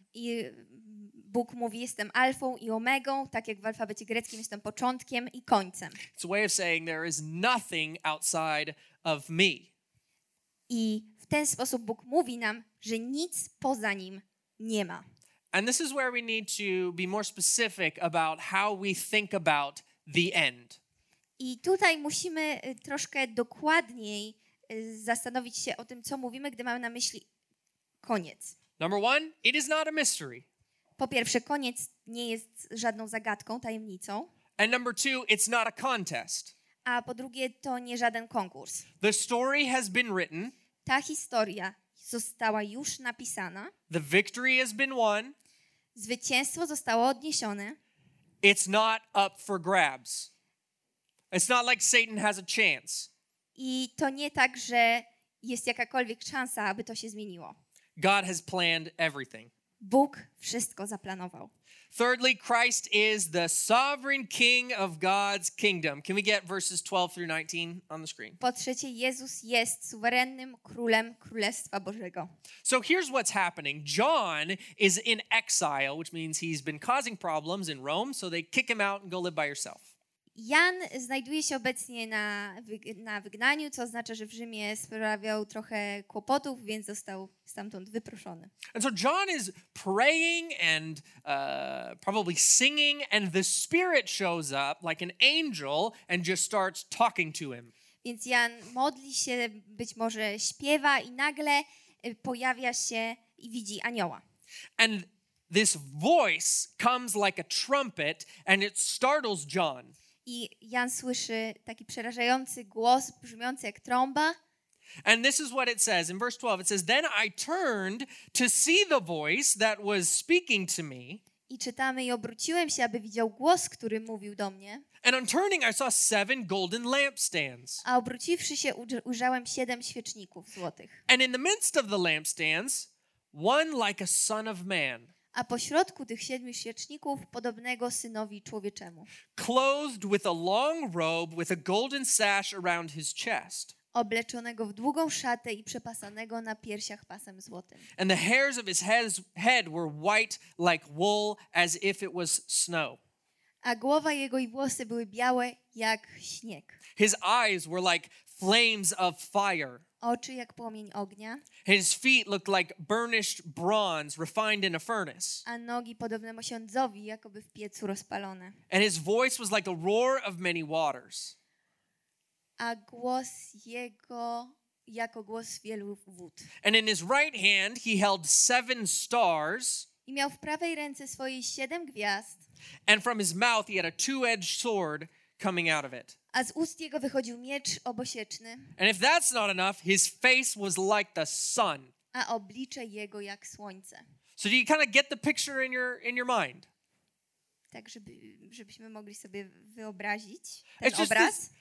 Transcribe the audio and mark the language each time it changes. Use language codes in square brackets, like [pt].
[pl] I Bóg mówi, jestem Alfą i Omegą, tak jak w alfabecie greckim jestem początkiem i końcem. [en] It's a way of saying there is nothing outside of me. [pl] I w ten sposób Bóg mówi nam, że nic poza nim nie ma. [en] And this is where we need to be more specific about how we think about the end. [pl] I tutaj musimy troszkę dokładniej zastanowić się o tym, co mówimy, gdy mamy na myśli koniec. [en] Number one, it is not a mystery. [pl] Po pierwsze, koniec nie jest żadną zagadką, tajemnicą. [en] And number two, it's not a contest. [pl] A po drugie, to nie żaden konkurs. [en] The story has been written. [pl] Ta historia została już napisana. [en] The victory has been won. [pl] Zwycięstwo zostało odniesione. [en] It's not up for grabs. It's not like Satan has a chance. [pl] I to nie tak, że jest jakakolwiek szansa, aby to się zmieniło. [en] God has planned everything. [pl] Bóg wszystko zaplanował. [en] Thirdly, Christ is the sovereign king of God's kingdom. Can we get verses 12 through 19 on the screen? [pl] Po trzecie, Jezus jest suwerennym królem Królestwa Bożego. [en] So here's what's happening. John is in exile, which means he's been causing problems in Rome, so they kick him out and go live by yourself. [pl] Jan znajduje się obecnie na wygnaniu, co oznacza, że w Rzymie sprawiał trochę kłopotów, więc został stamtąd wyproszony. [en] And so John is praying and probably singing and the spirit shows up like an angel and just starts talking to him. [pl] Więc Jan modli się, być może śpiewa i nagle pojawia się i widzi anioła. [en] And this voice comes like a trumpet and it startles John. [pl] I Jan słyszy taki przerażający głos, brzmiący jak trąba. [en] And this is what it says in verse 12. It says, then I turned to see the voice that was speaking to me. [pl] I czytamy, i obróciłem się, aby widział głos, który mówił do mnie. [en] And on turning, I saw 7 golden lampstands. [pl] A obróciwszy się, ujrzałem 7 świeczników złotych. [en] And in the midst of the lampstands, one like a son of man. [pl] A pośrodku tych 7 świeczników podobnego synowi człowieczemu. [en] Clothed with a long robe with a golden sash around his chest. [pl] Obleczonego w długą szatę i przepasanego na piersiach pasem złotym. [en] And the hairs of his head were white like wool as if it was snow. [pl] A głowa jego i włosy były białe jak śnieg. [en] His eyes were like flames of fire. [pl] oczy jak płomień ognia. [en] His feet looked like burnished bronze refined in a furnace. [pl] A nogi podobne mosiądzowi, jakoby w piecu rozpalone. [en] And his voice was like a roar of many waters. [pl] A głos jego jako głos wielu wód. [en] And in his right hand he held seven stars. [pl] I miał w prawej ręce swoje siedem gwiazd. [en] And from his mouth he had a two-edged sword coming out of it. [pl] A z ust jego wychodził miecz obosieczny. [en] And if that's not enough, his face was like the sun. [pl] A oblicze jego jak słońce. [en] So do you kind of get the picture in your mind? [pl] Tak, żebyśmy mogli sobie wyobrazić ten obraz.